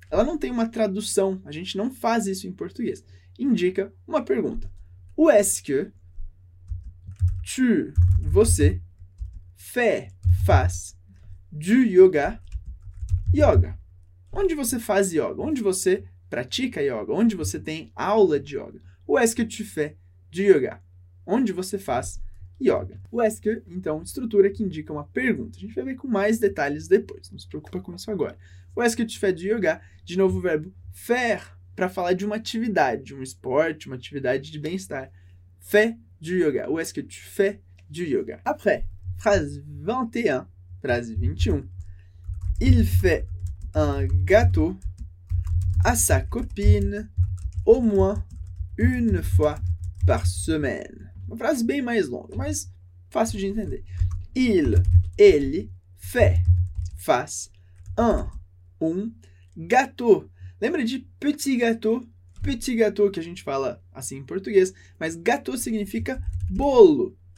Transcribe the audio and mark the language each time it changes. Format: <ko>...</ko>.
<pt>Ela não tem uma tradução, a gente não faz isso em português. Indica uma pergunta.</pt> <fr>O est-ce que tu,</fr> <pt>você, faz du yoga, yoga? Onde você faz yoga? Onde você pratica yoga? Onde você tem aula de yoga?</pt> <fr>O est-ce que tu fais du yoga?</fr> <pt>Onde você faz yoga?</pt> <fr>O est-ce que,</fr> <pt>então, estrutura que indica uma pergunta. A gente vai ver com mais detalhes depois, não se preocupa com isso agora.</pt> <fr>O est-ce que tu fais du yoga?</fr> <pt>De novo, o verbo faire, para falar de uma atividade, de um esporte, uma atividade de bem-estar.</pt> <fr>Fais du yoga. Où est-ce que tu fais du yoga? Après, phrase 21, phrase 21. Il fait un gâteau à sa copine au moins une fois par semaine.</fr> <pt>Uma frase bem mais longa, mas fácil de entender. Ele fait, faz um gâteau. Lembra de petit gâteau? Petit gâteau, que a gente fala assim em português, mas gâteau significa bolo.</pt>